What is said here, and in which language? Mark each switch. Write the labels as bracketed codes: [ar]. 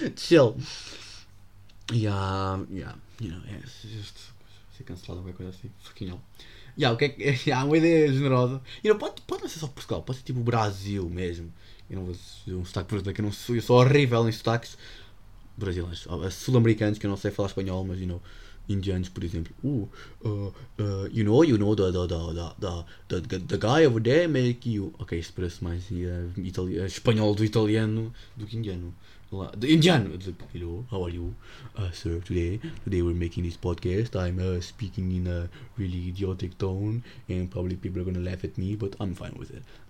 [en] Chill. Yeah, you know, [pt] ser cancelado alguma coisa assim, [en] fucking hell. Yeah, okay, yeah, [pt] uma ideia generosa. E [en] you know, [pt] pode não ser só Portugal, pode ser tipo Brasil mesmo. Eu não vou dizer um sotaque brasileiro, que eu sou horrível em sotaques brasileiros. Sul-americanos, que eu não sei falar espanhol, mas, [en] you know, [pt] indianos, por exemplo. [en] You know, the guy over there make you... [pt] Ok, isso parece mais espanhol do italiano do que indiano. [en] The Indian, hello, how are you, sir? Today we're making this podcast. I'm speaking in a really idiotic tone, and probably people are gonna laugh at me, but I'm fine with it.